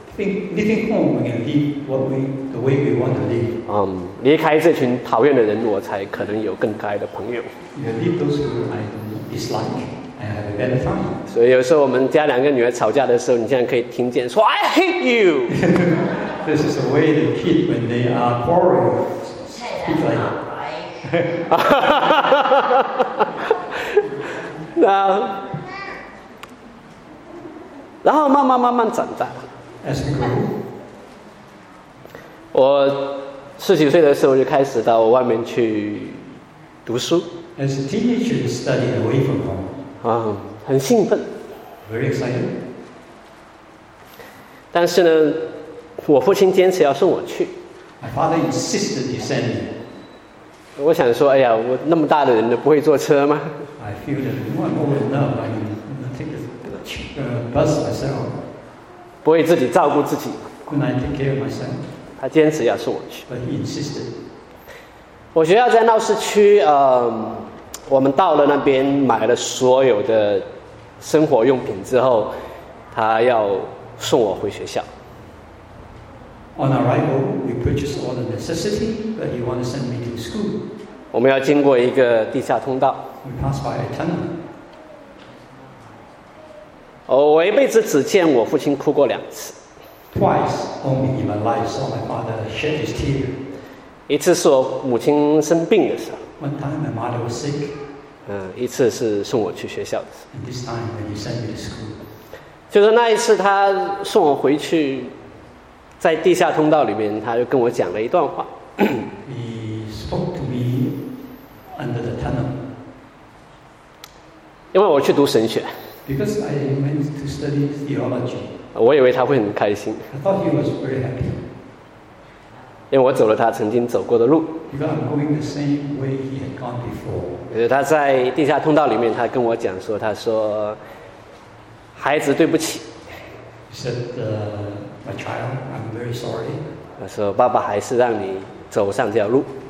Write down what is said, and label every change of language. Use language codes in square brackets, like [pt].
[en] Leaving home, we can live what we, the way we want to live. [zh] 离开这群讨厌的人，我才可能有更可爱的朋友。 [en] You leave those who I dislike, and have a better time. [zh] 所以有时候我们家两个女儿吵架的时候，你竟然可以听见说 [en] "I hate you." This is the way the kids when they are quarreling speak like. [zh] 然后慢慢长大。 [en] As you grow, [zh] 我十几岁的时候就开始到外面去读书。 [en] As a teenager, you studied away from home. [zh] 很兴奋。 [en] Very excited. [zh] 但是呢，我父亲坚持要送我去。 [en] My father insisted you send me. [zh] 我想说，哎呀，我那么大的人了，不会坐车吗 [en] ？I feel that I'm old enough. I can take the bus myself. [zh] 不会自己照顾自己。 [en] Couldn't I take care of myself? [zh] 他坚持要送我去。 [en] But he insisted. [zh] 我学校在闹市区，我们到了那边买了所有的生活用品之后，他要送我回学校。 [en] On arrival, we purchased all the necessity, but he wanted to send me to school. [zh] 我们要经过一个地下通道。 [en] We passed by a tunnel. [zh] 我一辈子只见我父亲哭过两次。 [en] Twice only in my life saw my father shed his tears. [zh] 一次是我母亲生病的时候。 [en] One time my mother was sick. [zh] 一次是送我去学校的时候。 [en] And this time when he sent me to school. [zh] 就是那一次他送我回去，在地下通道里面，他就跟我讲了一段话。 [en] He spoke to me under the tunnel. [zh] 因为我去读神学。 [en] Because I went to study theology. [zh] 我以为他会很开心。 [en] I thought he was very happy. [zh] 因为我走了他曾经走过的路。 [en] Because I'm going the same way he had gone before. [zh] 他在地下通道里面，他跟我讲说，他说，孩子，对不起。 [en] He said, my child, I'm very sorry. [zh] 他说，爸爸还是让你走上这条路。